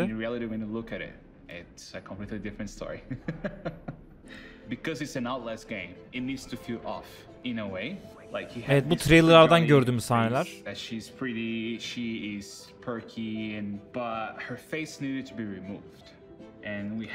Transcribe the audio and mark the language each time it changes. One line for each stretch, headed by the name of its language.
English: In reality, when you look at it, it's a completely different story. Because it's an Outlast game, it needs to feel off in a way. Like, he has,
Turkish: evet, bu trailerlardan gördüğümüz sahneler.
English: She's pretty, she is perky and but her face needed to be removed.